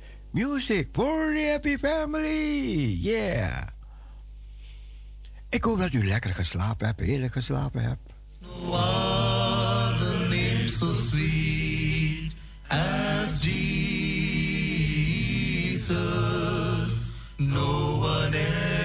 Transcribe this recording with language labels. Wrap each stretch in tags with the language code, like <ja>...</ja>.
<en>Music for the happy family, yeah.</en> <nl>Ik hoop dat u lekker geslapen hebt, heerlijk geslapen hebt.</nl> <en>What a name so sweet as Jesus, no one else.</en>